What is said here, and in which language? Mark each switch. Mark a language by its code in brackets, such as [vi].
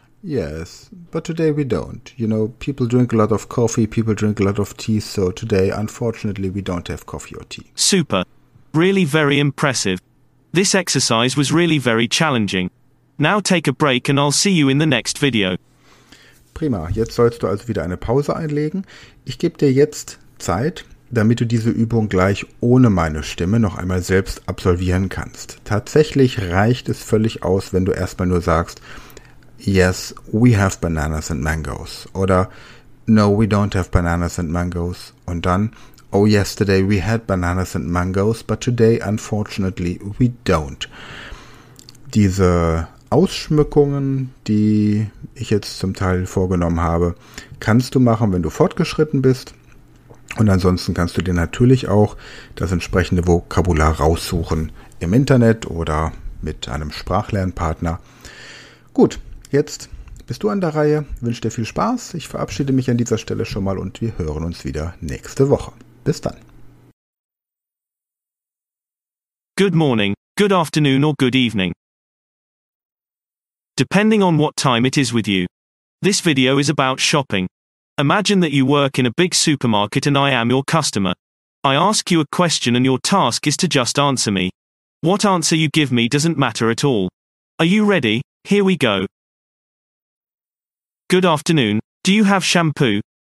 [en] Yes, but today we don't. You know, people drink a lot of coffee, people drink a lot of tea, so today, unfortunately, we don't have coffee or tea. Super. Really very impressive. This exercise was really very challenging. Now take a break and I'll see you in the next video. [de] Prima, jetzt sollst du also wieder eine Pause einlegen. Ich gebe dir jetzt Zeit, damit du diese Übung gleich ohne meine Stimme noch einmal selbst absolvieren kannst. Tatsächlich reicht es völlig aus, wenn du erstmal nur sagst, [en] yes, we have bananas and mangoes. [de] Oder [en] no, we don't have bananas and mangoes. [de] Und dann, [en] oh, yesterday we had bananas and mangoes, but today, unfortunately, we don't. [de] Diese Ausschmückungen, die ich jetzt zum Teil vorgenommen habe, kannst du machen, wenn du fortgeschritten bist. Und ansonsten kannst du dir natürlich auch das entsprechende Vokabular raussuchen im Internet oder mit einem Sprachlernpartner. Gut, jetzt bist du an der Reihe. Ich wünsche dir viel Spaß. Ich verabschiede mich an dieser Stelle schon mal und wir hören uns wieder nächste Woche. Bis dann. [en] Good morning, good afternoon or good evening. Depending on what time it is with you. This video is about shopping. Imagine that you work in a big supermarket and I am your customer. I ask you a question and your task is to just answer me. What answer you give me doesn't matter at all. Are you ready? Here we go. Good afternoon, do Do you have shampoo?